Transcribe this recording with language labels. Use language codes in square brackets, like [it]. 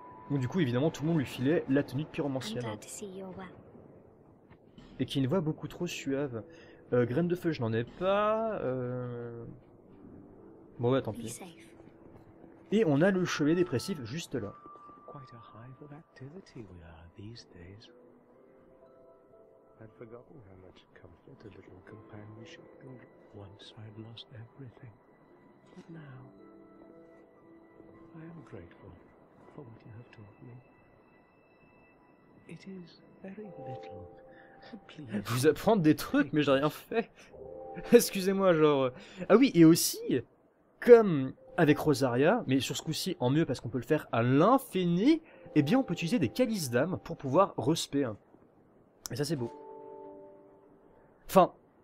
[fr] Donc du coup évidemment tout le monde lui filait la tenue de pyromancienne. Et qui a une voix beaucoup trop suave. Graine de feu, je n'en ai pas. Bon, ouais, tant pis. Et on a le chevet dépressif juste là. [en] Quite a hive of activity we are these days. I'd forgotten how much comfort a little companionship brought once I'd lost everything. But now, I am grateful for what you have taught me. It is very little. [fr] Vous apprendre des trucs, mais j'ai rien fait. Excusez-moi, genre... Ah oui, et aussi, comme avec Rosaria, mais sur ce coup-ci, en mieux, parce qu'on peut le faire à l'infini, eh bien, on peut utiliser des calices d'âme pour pouvoir respé. Et ça, c'est beau. Enfin...